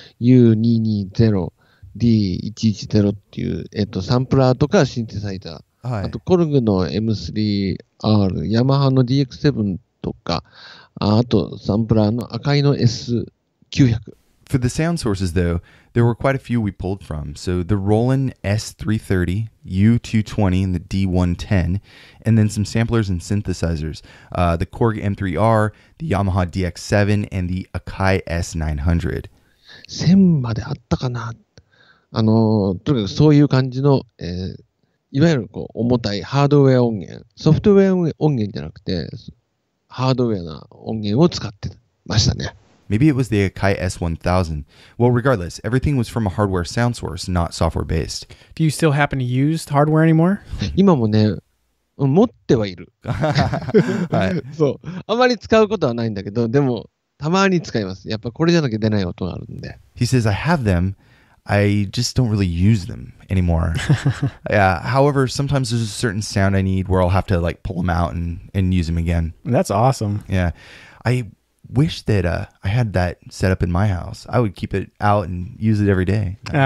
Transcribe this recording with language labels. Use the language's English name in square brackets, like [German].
[Japanese] 330-U220-D110 っていう、サンプラーとかシンセサイザー、はい、あとコルグの M3R、ヤマハの DX7 とか、あとサンプラーの赤いの S900。 [English] For the sound sources though, there were quite a few we pulled from. So the Roland S330, U220 and the D110, and then some samplers and synthesizers. The Korg M3R, the Yamaha DX7 and the Akai S900. [Japanese] 1000まであったかな。とにかくそういう感じの、いわゆるこう重たいハードウェア音源、ソフトウェア音源じゃなくてハードウェアな音源を使ってましたね。 [English] Maybe it was the Akai S1000. Well, regardless, everything was from a hardware sound source, not software based. Do you still happen to use hardware anymore? [Japanese] 今もね、持ってはいる。はい。そう。あまり使うことはないんだけど、でも、たまに使います。やっぱこれじゃなきゃ出ない音があるんで。 [English] He says, I have them. I just don't really use them anymore. Yeah. However, sometimes there's a certain sound I need where I'll have to like pull them out and use them again. That's awesome. Yeah. I wish that I had that set up in my house. I would keep it out and use it every day.